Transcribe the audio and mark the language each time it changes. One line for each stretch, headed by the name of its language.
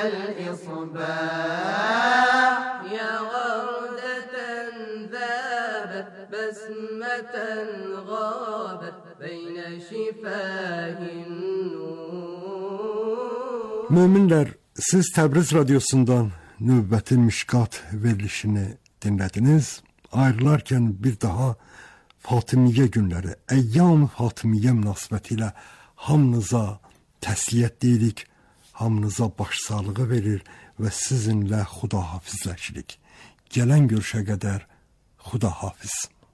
Arabic: الإصباح يا وردة ذابت بسمة غابت بين شفاه النور
Azerbaijani: مؤمنلر siz Tebriz Radyosu'ndan Nübüvvetin Mişkat verilişini dinlediniz. Ayrılarken bir daha Fatımiye günleri, Eyyam Fatımiye münasibetiyle hamınıza təsliyyət deyirik, hamınıza başsağlığı verir və sizinlə xuda hafizləşirik. Gələn görüşə qədər xuda hafiz.